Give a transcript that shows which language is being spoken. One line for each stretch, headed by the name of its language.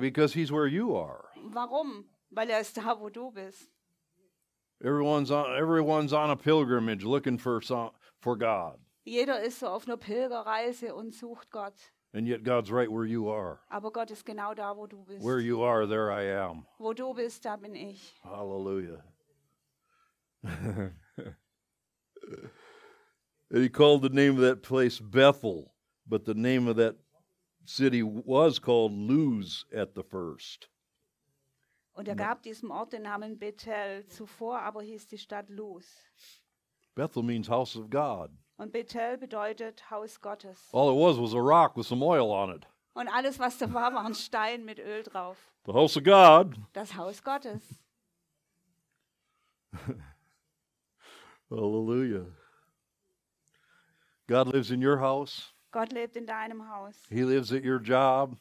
English: Because he's where you are.
German: Warum? Weil ist da, wo du bist.
English: Everyone's on a pilgrimage looking for God.
German: Jeder ist so auf einer Pilgerreise und sucht Gott.
English: And yet God's right where you are.
German: Aber Gott ist genau da, wo du bist.
English: Where you are, there I am.
German: Wo du bist, da bin ich. Hallelujah.
English: And he called the name of that place Bethel, but the name of that city was called Luz at the first.
German: Und gab diesem Ort den Namen Bethel zuvor, aber hieß die Stadt Luz.
English: Bethel means house of God.
German: Und Bethel bedeutet Haus Gottes.
English: All it was a rock with some oil on it.
German: Und alles, was da war, war ein Stein mit Öl drauf.
English: The house of God.
German: Das Haus Gottes.
English: Hallelujah. God lives in your house.
German: Gott lebt in deinem Haus.
English: He lives at your job.